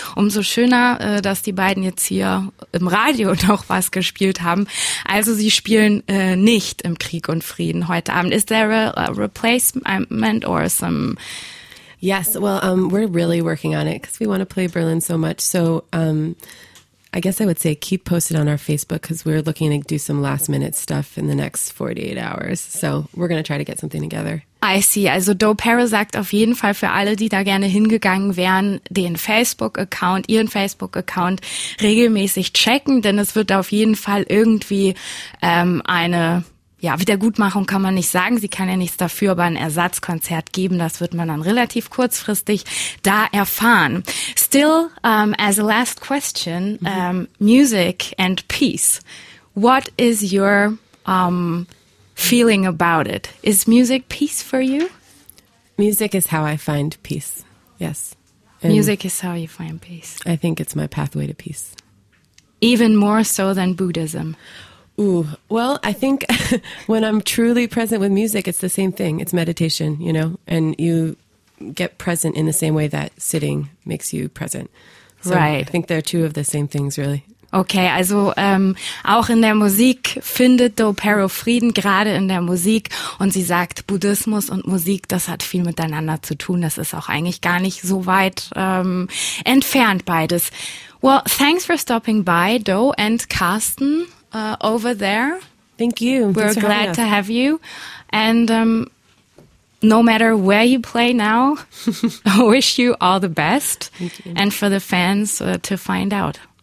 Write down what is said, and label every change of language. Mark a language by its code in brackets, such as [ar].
[de] Umso schöner, dass die beiden jetzt hier im Radio noch was gespielt haben. Also sie spielen nicht im Krieg und Frieden heute Abend. [en] Is there a replacement or some? Yes, well, we're really working on it because we want to play Berlin so much. So I guess I would say keep posted on our Facebook because we're looking to do some last minute stuff in the next 48 hours. So we're going to try to get something together. I see. [de] Also Dopero sagt auf jeden Fall für alle, die da gerne hingegangen wären, ihren Facebook-Account regelmäßig checken, denn es wird auf jeden Fall irgendwie eine ja, Wiedergutmachung kann man nicht sagen. Sie kann ja nichts dafür, aber ein Ersatzkonzert geben, das wird man dann relativ kurzfristig da erfahren. [en] Still, as a last question, music and peace. What is your feeling about it? Is music peace for you? Music is how I find peace, yes. And music is how you find peace. I think it's my pathway to peace. Even more so than Buddhism. Ooh, well, I think when I'm truly present with music, it's the same thing. It's meditation, you know, and you get present in the same way that sitting makes you present. So right. I think they're two of the same things, really. [de] Okay, also auch in der Musik findet Dopero Frieden, gerade in der Musik. Und sie sagt, Buddhismus und Musik, das hat viel miteinander zu tun. Das ist auch eigentlich gar nicht so weit entfernt, beides. [en] Well, thanks for stopping by, Do and Carsten. Over there. Thank you. We're glad to have you. And no matter where you play now, I wish you all the best. Thank you. And for the fans to find out.